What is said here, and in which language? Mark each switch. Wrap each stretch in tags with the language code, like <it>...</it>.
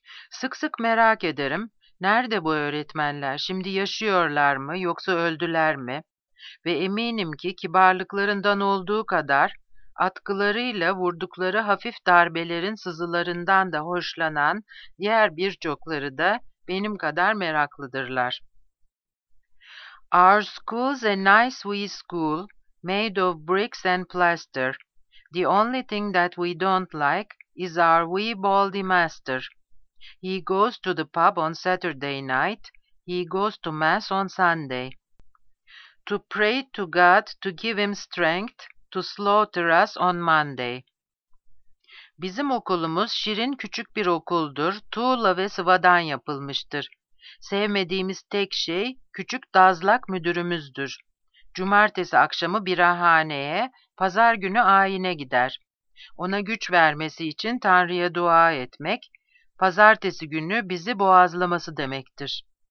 <tr>Sık sık merak ederim, nerede bu öğretmenler, şimdi yaşıyorlar mı yoksa öldüler mi? Ve eminim ki kibarlıklarından olduğu kadar atkılarıyla vurdukları hafif darbelerin sızılarından da hoşlanan diğer birçokları da benim kadar meraklıdırlar.</tr> <en>Our school's a nice wee school, made of bricks and plaster. The only thing that we don't like is our wee baldy master. He goes to the pub on Saturday night. He goes to mass on Sunday. To pray to God to give him strength to slaughter us on Monday.</en> <tr>Bizim okulumuz şirin küçük bir okuldur. Tuğla ve sıvadan yapılmıştır. Sevmediğimiz tek şey küçük dazlak müdürümüzdür. Cumartesi akşamı birahaneye, pazar günü ayine gider. Ona güç vermesi için Tanrı'ya dua etmek, pazartesi günü bizi boğazlaması demektir.</tr>